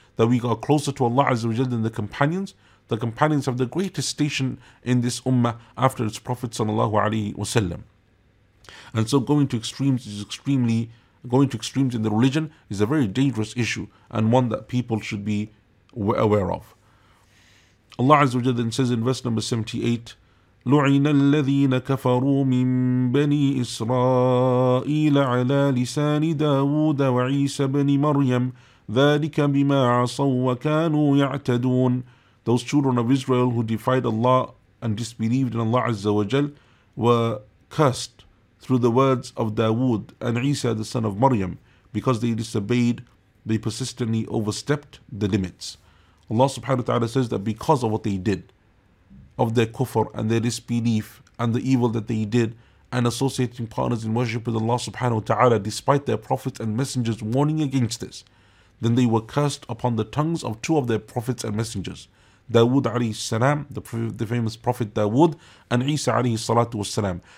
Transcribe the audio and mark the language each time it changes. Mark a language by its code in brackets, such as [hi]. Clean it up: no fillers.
[en] That we got closer to Allah Azza wa Jalla than the companions? The companions have the greatest station in this ummah after its Prophet sallallahu alaihi wasallam. And so going to extremes in the religion is a very dangerous issue, and one that people should be aware of. Allah Azza wa Jalla says in verse number 78, [ar] لُعِنَ الَّذِينَ كَفَرُوا مِن بَنِي إِسْرَائِيلَ عَلَى لِسَانِ دَاوُودَ وَعِيسَ بْنِ مَرْيَمَ ذَلِكَ بِمَا عَصَوْا وَكَانُوا يَعْتَدُونَ. [en] Those children of Israel who defied Allah and disbelieved in Allah Azza wa Jalla were cursed through the words of Dawood and Isa, the son of Maryam, because they disobeyed, they persistently overstepped the limits. Allah subhanahu wa ta'ala says that because of what they did, of their kufr and their disbelief and the evil that they did, and associating partners in worship with Allah subhanahu wa ta'ala, despite their prophets and messengers warning against this, then they were cursed upon the tongues of two of their prophets and messengers, Dawood alayhi salam, the famous prophet Dawood, and Isa alayhi salatu wasalam.